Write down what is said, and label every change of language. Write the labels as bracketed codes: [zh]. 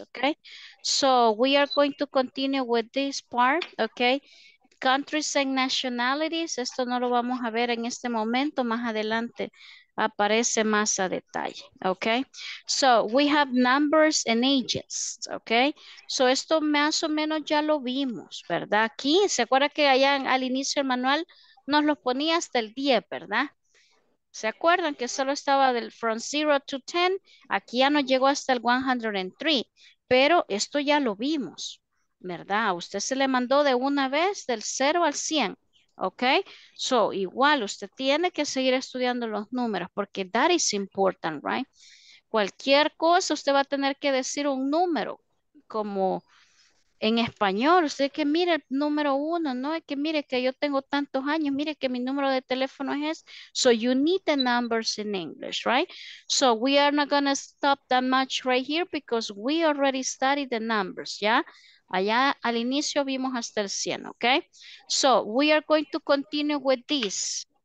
[en] Okay, so we are going to continue with this part. Okay, countries and nationalities. [es] Esto no lo vamos a ver en este momento, más adelante aparece más a detalle. [en] Okay, so we have numbers and ages. [es] Okay, so esto más o menos ya lo vimos, ¿verdad? Aquí, ¿se acuerda que allá al inicio del manual nos los ponía hasta el 10, ¿verdad? ¿Se acuerdan que solo estaba del [en] from 0 to 10? [es] Aquí ya nos llegó hasta el 103, pero esto ya lo vimos, ¿verdad? A usted se le mandó de una vez del 0 al 100, ¿ok? So, igual, usted tiene que seguir estudiando los números porque [en] that is important, right? [es] Cualquier cosa, usted va a tener que decir un número como... En español, usted que mire el número uno, ¿no? Que mire que yo tengo tantos años, mire que mi número de teléfono es. [en] So you need the numbers in English, right? So we are not going to stop that much right here because we already studied the numbers, ¿ya? [es] Allá al inicio vimos hasta el 100, ¿ok? [en] So we are going to continue with this.